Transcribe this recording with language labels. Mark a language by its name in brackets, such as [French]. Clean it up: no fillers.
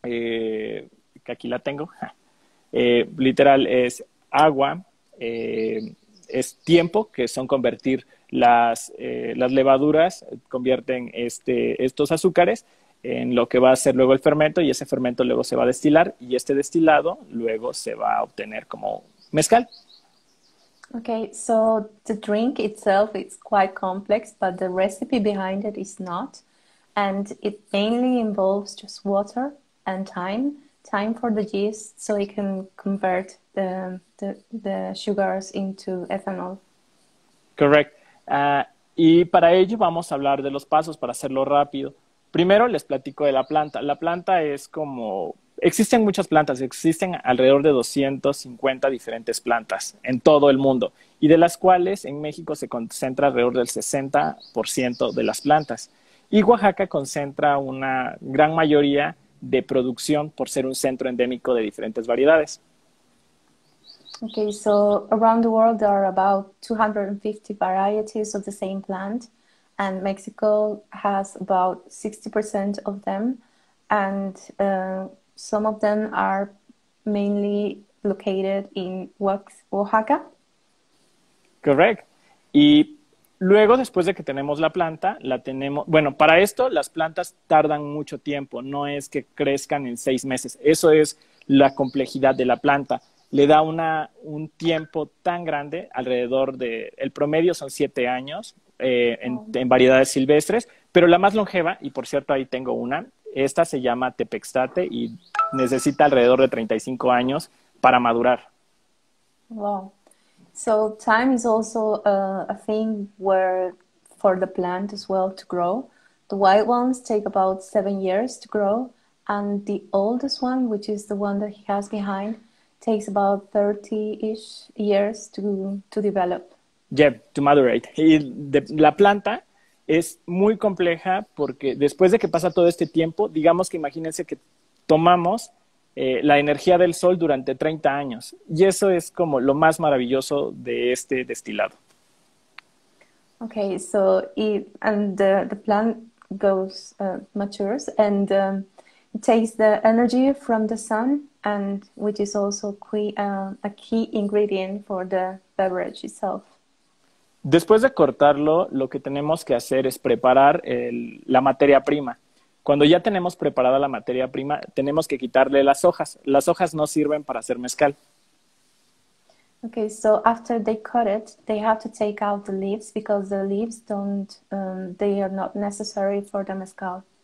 [Spanish] Que aquí la tengo, literal es agua, es tiempo, que son convertir las levaduras, convierten estos azúcares en lo que va a ser luego el fermento y ese fermento luego se va a destilar y este destilado luego se va a obtener como mezcal. [English] Okay, so the drink itself is quite complex, but the recipe behind it is not, and it mainly involves just water and time for the yeast so it can convert the sugars into ethanol. Correct. [Spanish] Y para ello vamos a hablar de los pasos para hacerlo rápido. Primero les platico de la planta. La planta es como, existen muchas plantas, existen alrededor de 250 diferentes plantas en todo el mundo y de las cuales en México se concentra alrededor del 60% de las plantas. Y Oaxaca concentra una gran mayoría de producción por ser un centro endémico de diferentes variedades. [English] Okay, so around the world there are about 250 varieties of the same plant, and Mexico has about 60% of them, and some of them are mainly located in Oaxaca. Correct. [Spanish] Y luego, después de que tenemos la planta, la tenemos, bueno, para esto las plantas tardan mucho tiempo, no es que crezcan en 6 meses, eso es la complejidad de la planta, le da un tiempo tan grande, alrededor de, el promedio son 7 años en variedades silvestres, pero la más longeva, y por cierto ahí tengo una, Esta se llama Tepextate y necesita alrededor de 35 años para madurar. [English] Wow. So time is also a thing where for the plant as well to grow. The white ones take about 7 years to grow, and the oldest one, which is the one that he has behind, takes about 30-ish years to develop. Yeah, to madurate. [Spanish] Y la planta es muy compleja porque después de que pasa todo este tiempo, digamos que imagínense que tomamos la energía del sol durante 30 años. Y eso es como lo más maravilloso de este destilado. [English] Okay, so the plant goes matures and takes the energy from the sun, and which is also a key ingredient for the beverage itself. [Spanish] Después de cortarlo, lo que tenemos que hacer es preparar la materia prima. Cuando ya tenemos preparada la materia prima, tenemos que quitarle las hojas. Las hojas no sirven para hacer mezcal. [English] Okay, so after they cut it, they have to take out the leaves because the leaves they are not necessary for the mezcal.